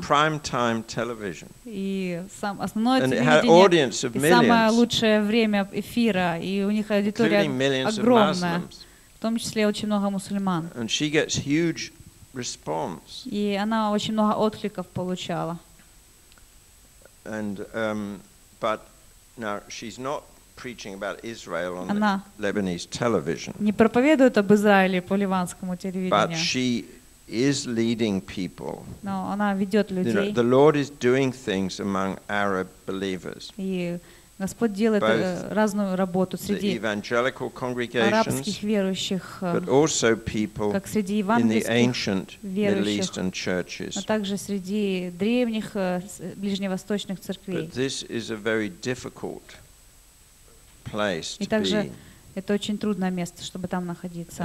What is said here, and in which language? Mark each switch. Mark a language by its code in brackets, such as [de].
[en] Prime time television. [ru] И сам основное [en] телевидение. And it had audience of millions. [ru] И самое лучшее время эфира, и у них аудитория огромная. В том числе очень много мусульман. [en] And she gets huge response. [ru] И она очень много откликов получала. [en] And but now she's not preaching about Israel on the Lebanese television. [ru] Не проповедует об Израиле по ливанскому телевидению. [en] But she is leading people. [ru] Но она ведет людей. [en] The Lord is doing things among Arab believers. [ru] И Господь делает разную работу среди [en] evangelical [ru] арабских верующих, [en] but also people [ru] как среди евангельских верующих, но также среди древних ближневосточных церквей. [en] But this is a very difficult place to [ru] be. И также это очень трудное место, чтобы там находиться.